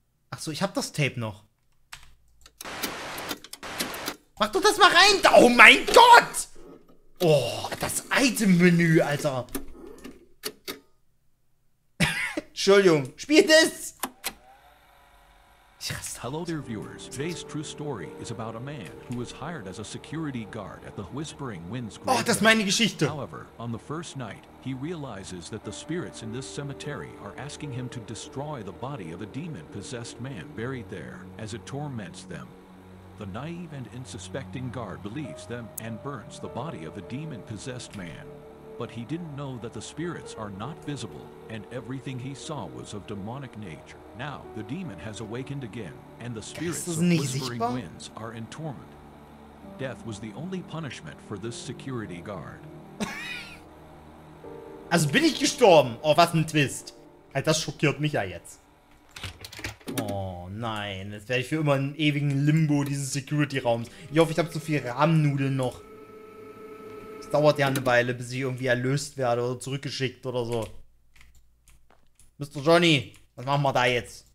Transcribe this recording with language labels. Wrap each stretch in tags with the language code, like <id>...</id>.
<de>Achso, ich hab das Tape noch. Mach doch das mal rein! Oh mein Gott! Oh, das Item-Menü, Alter. Entschuldigung, spiel das!</de> <en>Hello there, viewers. Today's true story is about a man who was hired as a security guard at the Whispering Winds Graveyard.</en> <de>Oh, das ist meine Geschichte.</de> <en>However, on the first night, he realizes that the spirits in this cemetery are asking him to destroy the body of a demon-possessed man buried there as it torments them. The naive and unsuspecting guard believes them and burns the body of a demon-possessed man. But he didn't know that the spirits are not visible and everything he saw was of demonic nature. Now, the demon has awakened again, and the spirits of Whispering Winds are in torment. Death was the only punishment for this security guard.</en> <de>Also bin ich gestorben? Oh, was ein Twist. Das schockiert mich ja jetzt. Oh nein, jetzt werde ich für immer im ewigen Limbo dieses Security-Raums. Ich hoffe, ich habe zu viel Rahmennudeln noch. Es dauert ja eine Weile, bis ich irgendwie erlöst werde oder zurückgeschickt oder so. Mr. Johnny! Was machen wir da jetzt?</de>